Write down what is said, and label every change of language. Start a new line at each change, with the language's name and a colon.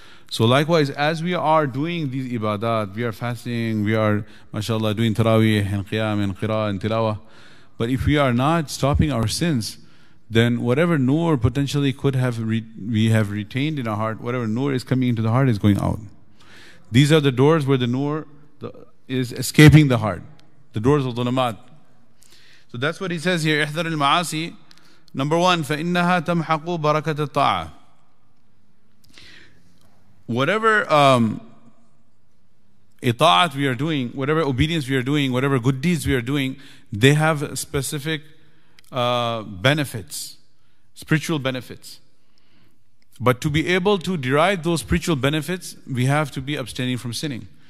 English: So likewise, as we are doing these ibadat, we are fasting, we are, mashallah, doing taraweeh and qiyam and qiraa and tilawah, but if we are not stopping our sins, then whatever nur potentially could have we have retained in our heart, whatever nur is coming into the heart is going out. These are the doors where the nur is escaping the heart, the doors of dhulamat. So that's what he says here, ihdhar al-ma'asi. Number one,
Arabic: فَإِنَّهَا تَمْحَقُ بَرَكَةَ الطَّاعَةِ.
English: Whatever ita'at we are doing, whatever obedience we are doing, whatever good deeds we are doing, they have specific benefits, spiritual benefits. But to be able to derive those spiritual benefits, we have to be abstaining from sinning.